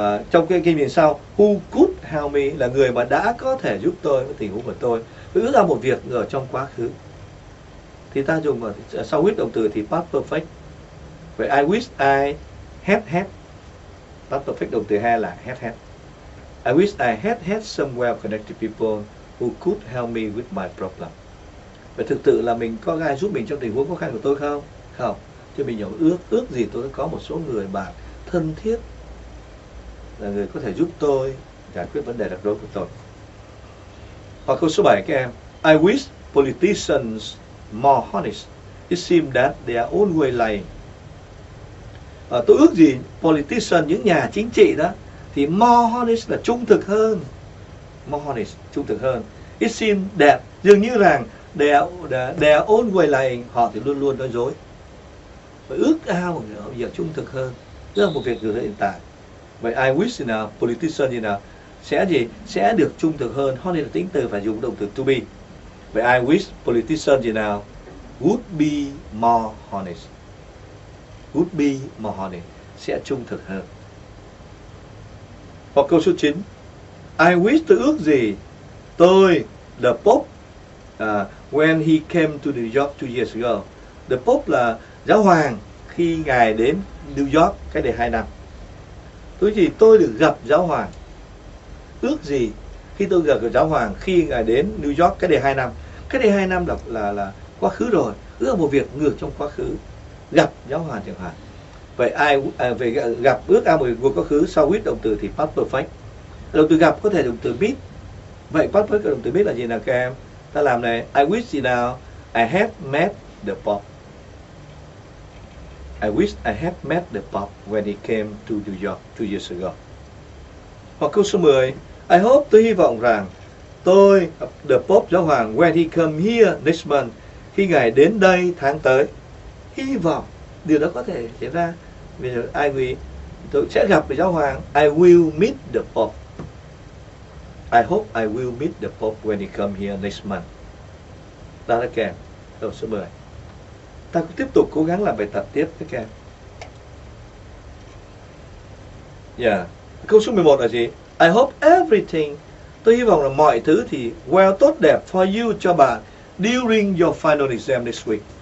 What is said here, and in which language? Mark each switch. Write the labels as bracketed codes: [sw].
[vi] Trong cái kinh nghiệm sau, [en] who could help me [vi] là người mà đã có thể giúp tôi với tình huống của tôi. Tôi ước ra một việc ở trong quá khứ. Thì ta dùng sau wish động từ thì past perfect. [en] Vậy I wish I had. Past perfect [vi] động từ hai là [en] had. I wish I had some well-connected people who could help me with my problem. [vi] Và thực sự là mình có ai giúp mình trong tình huống khó khăn của tôi không? Không. Chứ mình nhỏ ước gì tôi có một số người bạn thân thiết là người có thể giúp tôi giải quyết vấn đề đặc đối của tôi. Hoặc câu số 7 các em. [en] I wish politicians more honest. It seems that they are always lying. [vi] Tôi ước gì politicians, những nhà chính trị đó, thì more honest là trung thực hơn. More honest, trung thực hơn. [en] It seems that, [vi] dường như rằng [en] they are always lying. [vi] Họ thì luôn luôn nói dối. Vậy ước ao một việc trung thực hơn. Tức là một việc hiện tại. Vậy I wish nào, politician gì nào, sẽ gì? Sẽ được trung thực hơn. Honest là tính từ, phải dùng động từ to be. [en] Vậy I wish politician gì nào would be more honest. Would be more honest. [vi] Sẽ trung thực hơn. Hoặc câu số 9. [en] I wish [vi] tôi ước gì tôi, [en] the Pope, when he came to New York 2 years ago. [vi] The Pope là giáo hoàng khi ngài đến New York cách đây 2 năm. Tôi gì tôi được gặp giáo hoàng. Ước gì khi tôi gặp giáo hoàng khi ngài đến New York cách đây 2 năm. Cách đây 2 năm là quá khứ rồi. Ước một việc ngược trong quá khứ. Gặp giáo hoàng chẳng hạn. Vậy ai về gặp ước ao một việc quá khứ sau wish động từ thì past perfect. Động từ gặp có thể động từ meet. Vậy past perfect động từ meet là gì nào các em? Ta làm này. [en] I wish gì nào? I have met the Pope. I wish I had met the Pope when he came to New York 2 years ago. [vi] Hoặc câu số 10. [en] I hope, [vi] tôi hy vọng rằng tôi, the Pope, giáo hoàng, [en] when he come here next month, [vi] khi ngài đến đây tháng tới, hy vọng điều đó có thể xảy ra. Vì ai quý, tôi sẽ gặp giáo hoàng. [en] I will meet the Pope. I hope I will meet the Pope when he come here next month. [vi] Ta đã kèm. Câu số 10. Ta cũng tiếp tục cố gắng làm bài tập tiếp các em. Yeah. Câu số 11 là gì? [en] I hope everything. [vi] Tôi hy vọng là mọi thứ thì well, tốt đẹp [en] for you, [vi] cho bạn [en] during your final exam this week.